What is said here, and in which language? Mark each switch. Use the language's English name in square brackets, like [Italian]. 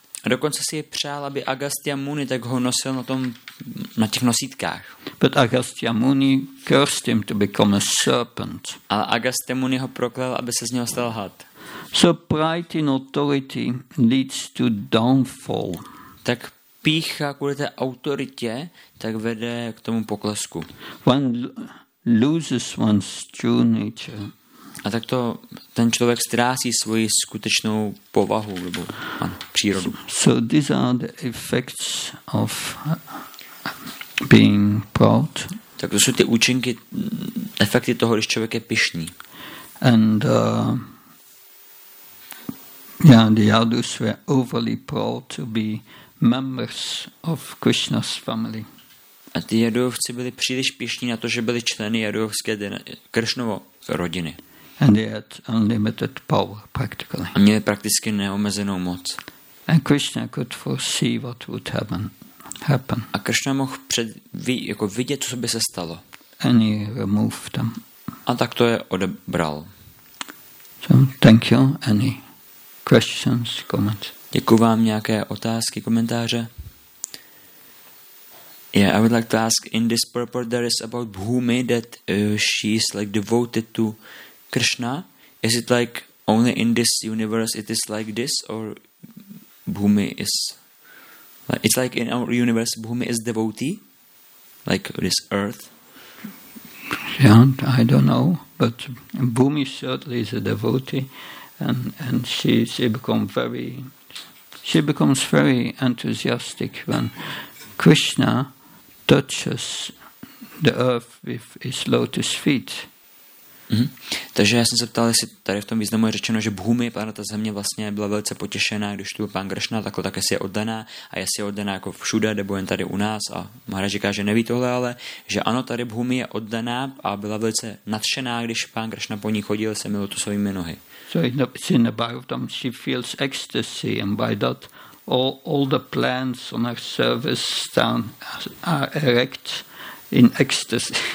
[Czech] A dokonce si je přál, aby Agastya Muni tak ho nosil na těch nosítkách. [English] But Agastya Muni cursed him to become a serpent. [Czech] Ale Agastya Muni ho proklel, aby se z něho stal had. [English] So pride in authority leads to downfall. [Czech] Tak pícha kvůli té autoritě tak vede k tomu poklesku. [English] One loses one's true nature. [Czech] A tak to ten člověk ztrácí svoji skutečnou povahu nebo přírodu. [English] So these are the effects of being proud. [Czech] Tak to jsou ty účinky, efekty toho, když člověk je pyšný. [English] And the Yadus were overly proud to be members of Krishna's family. [Czech] A ty Yadovci byli příliš pyšní na to, že byli členy Yadovské Krishnovo rodiny. [English] And they had unlimited power, practically. [Czech] A měli prakticky neomezenou moc. [English] And Krishna could foresee what would happen. [Czech] A Krishna mohl vidět, co by se stalo. [English] And he removed them. [Czech] A tak to je odebral. [English] So, thank you. Any questions, comments? [Czech] Děkuji vám, nějaké otázky, komentáře? [English] Yeah, I would like to ask, in this purport there is about Bhumi that she is like devoted to Krishna. Is it like only in this universe it is like this, or Bhumi is like, it's like in our universe Bhumi is devotee like this earth? Yeah, I don't know, but Bhumi certainly is a devotee, and she becomes very enthusiastic when Krishna touches the earth with his lotus feet. Mm-hmm. [Czech] Takže já jsem se ptal, jestli tady v tom významu je řečeno, že Bhumi, planeta Země, vlastně byla velice potěšená, když tu pán Krishna, takhle také si je oddaná, a jestli je oddaná jako všude, nebo jen tady u nás, a Maharaj říká, že neví tohle, ale že ano, tady Bhumi je oddaná a byla velice nadšená, když pán Krishna po ní chodil se mi lotusovými nohy. [English] So it's in the Bhagavatam, she feels ecstasy, and by that all the plans on her service stand are erect in ecstasy.